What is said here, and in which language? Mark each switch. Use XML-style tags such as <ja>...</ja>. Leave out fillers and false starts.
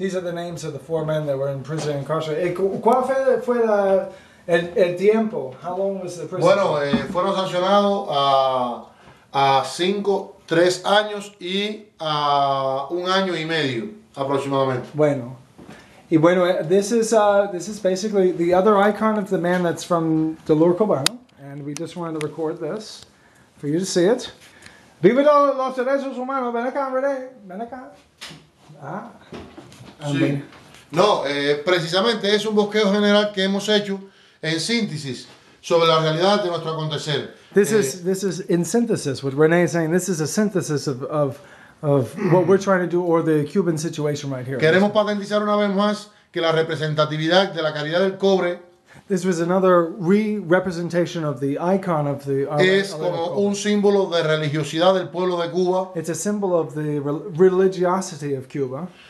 <en>These are the names of the four men that were in prison and incarcerated.</en> <es>¿Cuál fue el tiempo?</es> <en>How long was the prison?</en> <es>Bueno, fueron sancionados a 3 años y a 1 año y medio aproximadamente. Bueno. Y bueno,</es> <en>this is basically the other icon of the man that's from Dolor Cubano, and we just wanted to record this for you to see it.</en> <es>Viva los derechos humanos, ven acá, René, ven acá. Sí. No, precisamente es un bosquejo general que hemos hecho en síntesis sobre la realidad de nuestro acontecer.</es> <en>This is in synthesis, what René is saying. This is a synthesis of what we're trying to do, or the Cuban situation right here.</en> <es>Queremos patentizar una vez más que la representatividad de la calidad del cobre.</es> <en>This was another re-representation of the icon of the...</en> <es>Es como un símbolo de religiosidad del pueblo de Cuba.</es> <en>It's a symbol of the religiosity of Cuba.</en>